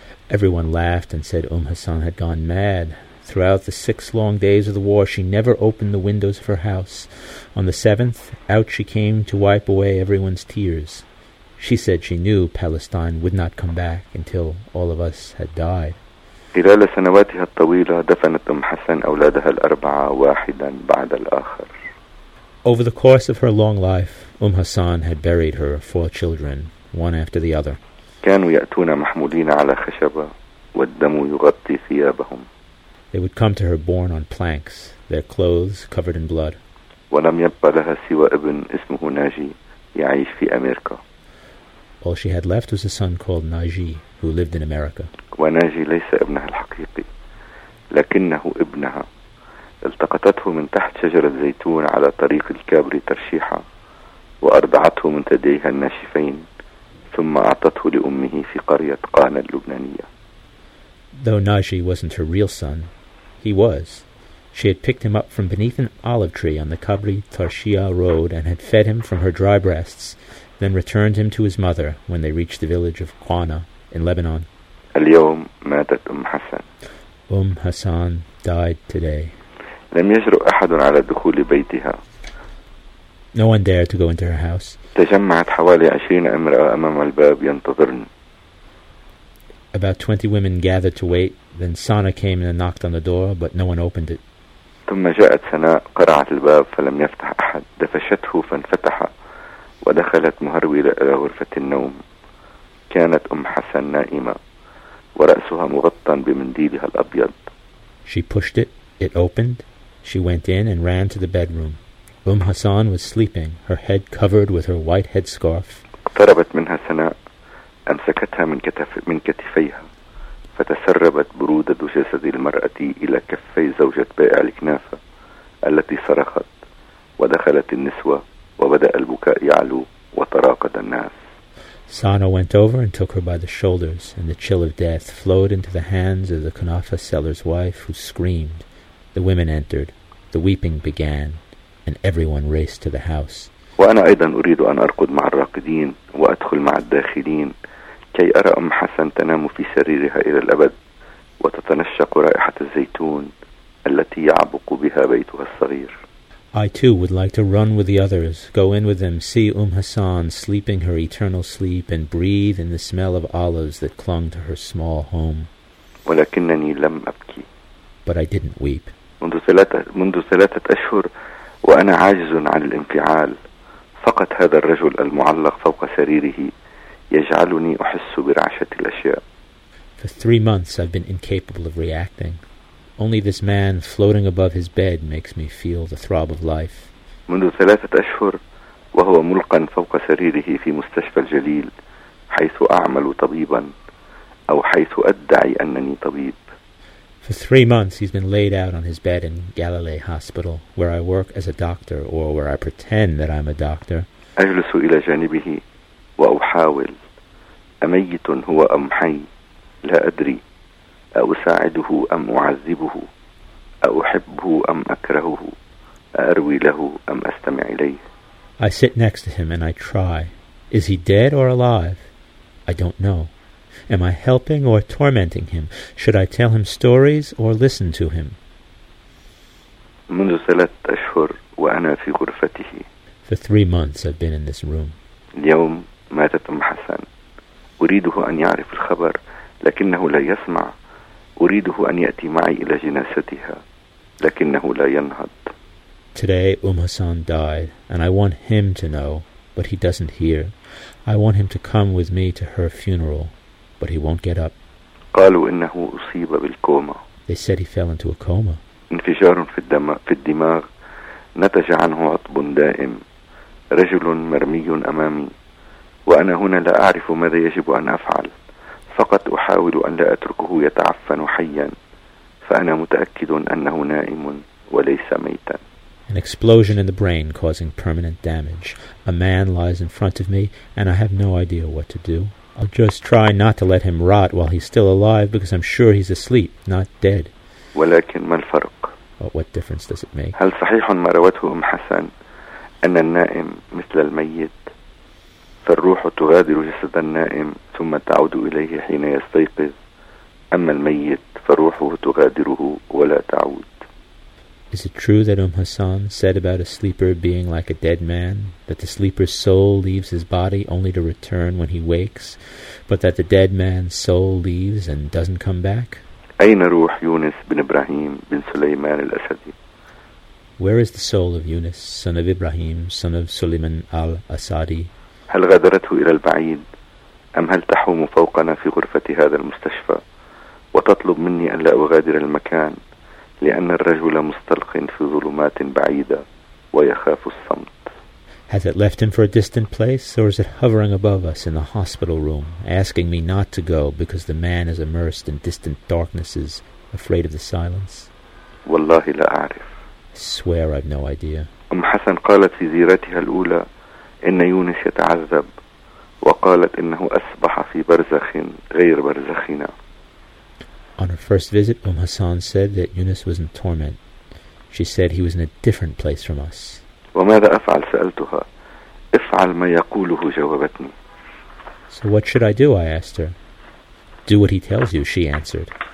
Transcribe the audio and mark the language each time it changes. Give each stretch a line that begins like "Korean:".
English: Everyone laughed and said Umm Hassan had gone mad. Throughout the 6 long days of the war, she never opened the windows of her house. On the 7th, out she came to wipe away everyone's tears. She said she knew Palestine would not come back until all of us had died.
Arabic: خلال سنواتها الطويلة دفنت أم حسن أولادها الأربعة واحدا بعد الآخر.
English: Over the course of her long life, Umm Hassan had buried her 4 children, one after the other.
Arabic: كانوا يأتون محمولين على خشبة والدم يغطي ثيابهم.
English: They would come to her borne on planks, their clothes covered in blood.
Arabic: ولم يبقى لها سوى ابن اسمه ناجي يعيش في أمريكا.
English: All she had left was a son called Naji, who lived in America.
Arabic: وناجي ليس ابنها الحقيقي لكنه ابنها. التقطته من تحت شجرة زيتون على طريق الكابري ترشيحة وأرضعته من ثديها الناشفين ثم أعطته لأمه في قرية قانا اللبنانية.
English: Though Naji wasn't her real son, he was. She had picked him up from beneath an olive tree on the Kabri Tarshia road and had fed him from her dry breasts, then returned him to his mother when they reached the village of Qana in Lebanon.
Arabic: اليوم ماتت أم حسن.
English: أم حسن died today.
Arabic: لم يجرؤ أحد على دخول بيتها.
English: No one dared to go into her house.
Arabic: تجمعت حوالي 20 امرأة أمام الباب ينتظرن.
English: About 20 women gathered to wait. Then Sana came and knocked on the door, but no one opened it.
Arabic: ثم جاءت سناء قرعت الباب فلم يفتح أحد. دفشته فانفتح ودخلت مهرولة إلى غرفة النوم. كانت أم حسن نائمة ورأسها مغطى بمنديلها الأبيض.
English: She pushed it. It opened. She went in and ran to the bedroom. Hassan was sleeping, her head covered with her white headscarf.
Arabic: اقتربت منها سناء أمسكتها من كتفيها فتسربت برودة جسد المرأة إلى كفي زوجة بائع الكنافة التي صرخت ودخلت النسوة وبدأ البكاء يعلو وتراقد الناس.
English: Sana went over and took her by the shoulders and the chill of death flowed into the hands of the kanafa seller's wife who screamed. The women entered. The weeping began. And everyone raced to the house.
Arabic: وأنا أيضا أريد أن أرقد مع الراقدين وأدخل مع الداخلين كي أرى أم حسن تنام في سريرها إلى الأبد وتتنشق رائحة الزيتون التي يعبق بها بيتها الصغير.
English: I too would like to run with the others, go in with them, see Hassan sleeping her eternal sleep, and breathe in the smell of olives that clung to her small home.
Arabic: ولكنني لم أبكي.
English: But I didn't weep.
Arabic: منذ ثلاثة أشهر وأنا عاجز عن الانفعال. فقط هذا الرجل المعلق فوق سريره يجعلني أحس برعشة الأشياء.
English: For 3 months I've been incapable of reacting. Only this man floating above his bed makes me feel the throb of life.
Arabic: منذ ثلاثة أشهر وهو ملقا فوق سريره في مستشفى الجليل حيث أعمل طبيبا أو حيث أدعي أنني طبيب.
English: For 3 months he's been laid out on his bed in Galilee Hospital where I work as a doctor or where I pretend that I'm a doctor.
Arabic: أجلس إلى جانبه وأحاول أميت هو أم حي لا أدري أساعده أم أعذبه أحبه أم أكرهه أروي له أم أستمع إليه.
English: I sit next to him and I try. Is he dead or alive? I don't know. Am I helping or tormenting him? Should I tell him stories or listen to him?
Arabic: منذ ثلاثة أشهر وأنا في غرفته.
English: For 3 months I've been in this room.
Arabic: اليوم ماتت أم حسن. أريده أن يعرف الخبر لكنه لا يسمع. أريده أن يأتي معي إلى جنازتها لكنه لا ينهض.
English: Today Hassan died and I want him to know, but he doesn't hear. I want him to come with me to her funeral. But he won't get up.
Arabic: قالوا إنه أصيب بالكوما.
English: They said he fell into a coma.
Arabic: انفجار في الدماغ نتج عنه عطب دائم. رجل مرمي أمامي وأنا هنا لا أعرف ماذا يجب أن أفعل. فقط أحاول أن لا أتركه يتعفن حيا. فأنا متأكد أنه نائم وليس ميتا.
English: An explosion in the brain causing permanent damage. A man lies in front of me and I have no idea what to do. I'll just try not to let him rot while he's still alive because I'm sure he's asleep, not dead.
Arabic: ولكن ما الفرق؟
English: But what difference does it make?
Arabic: هل صحيح ما روته أم حسن أن النائم مثل الميت؟ فالروح تغادر جسد النائم ثم تعود إليه حين يستيقظ. أما الميت فروحه تغادره ولا تعود.
English: Is it true that Hassan said about a sleeper being like a dead man, that the sleeper's soul leaves his body only to return when he wakes, but that the dead man's soul leaves and doesn't come back?
Arabic: أين روح يونس بن إبراهيم بن سليمان الأسدي?
English: Where is the soul of Yunus, son of Ibrahim, son of Suleiman al-Asadi?
Arabic: هل غادرته إلى البعيد أم هل تحوم فوقنا في غرفة هذا المستشفى وتطلب مني أن لا أغادر المكان؟ لأن الرجل مستلق في ظلمات بعيدة ويخاف الصمت.
English: Has it left him for a distant place, or is it hovering above us in the hospital room, asking me not to go because the man is immersed in distant darknesses, afraid of the silence?
Arabic: والله لا أعرف.
English: I swear I've no idea.
Arabic: أم حسن قالت في زيارتها الأولى إن يونس يتعذب، وقالت إنه أصبح في برزخ غير برزخنا.
English: On her first visit, Hassan said that Yunus was in torment. She said he was in a different place from us.
Arabic: وماذا أفعل؟ سألتها. افعل ما يقوله، جاوبتني.
English: So what should I do? I asked her. Do what he tells you, she answered.